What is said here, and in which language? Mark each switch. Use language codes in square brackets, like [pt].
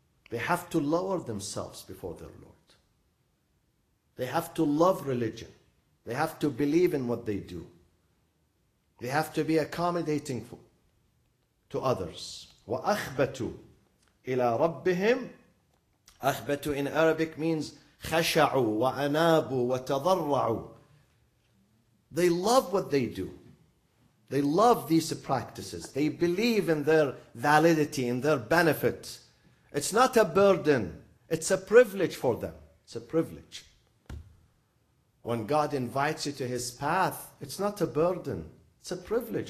[en] They have to lower themselves before their Lord. They have to love religion. They have to believe in what they do. They have to be accommodating to others. [ar] وَأَخْبَتُوا إِلَىٰ رَبِّهِمْ. أَخْبَتُوا [en] in Arabic means [ar] خَشَعُوا وَأَنَابُوا وَتَضَرَّعُوا. [en] They love what they do. They love these practices. They believe in their validity, in their benefit. It's not a burden. It's a privilege for them. It's a privilege. When God invites you to His path, it's not a burden. It's a privilege.